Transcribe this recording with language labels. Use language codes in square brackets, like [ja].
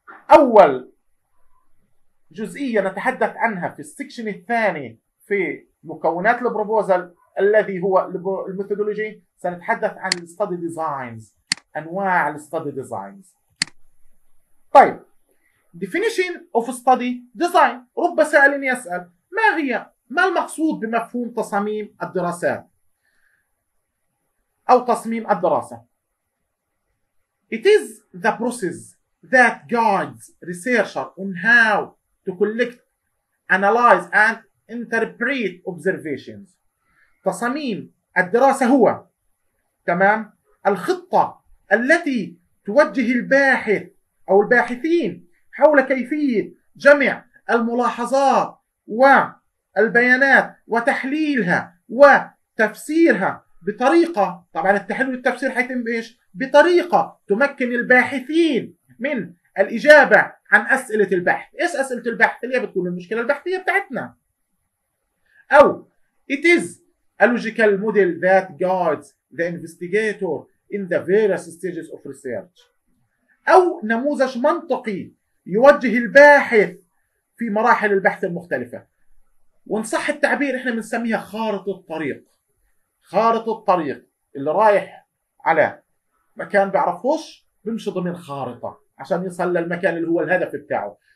[ar] أول جزئية نتحدث عنها في السكشن الثاني في مكونات البروبوزل الذي هو الميثودولوجي، سنتحدث عن الستادي ديزاينز، انواع الستادي ديزاينز. طيب، ديفينيشن اوف ستادي ديزاين. رب سائل يسال، ما المقصود بمفهوم تصاميم الدراسات او تصميم الدراسه؟ [en] It is the process that guides researcher on how to collect, analyze and interpret observations. [ar] تصاميم الدراسة هو، تمام، الخطة التي توجه الباحث أو الباحثين حول كيفية جمع الملاحظات والبيانات وتحليلها وتفسيرها بطريقة، طبعا التحليل والتفسير حيتم بإيش؟ بطريقة تمكن الباحثين من الإجابة عن أسئلة البحث. إيش أسئلة البحث؟ اللي هي بتكون المشكلة البحثية بتاعتنا. أو [en] it is a logical model that guides the investigator in the various stages of research. [ar] أو نموذج منطقي يوجه الباحث في مراحل البحث المختلفة. ونصح التعبير إحنا بنسميها خارطة الطريق. خارطة الطريق اللي رايح على مكان بعرفوش بمشي ضمن خارطة عشان يصل للمكان اللي هو الهدف بتاعه.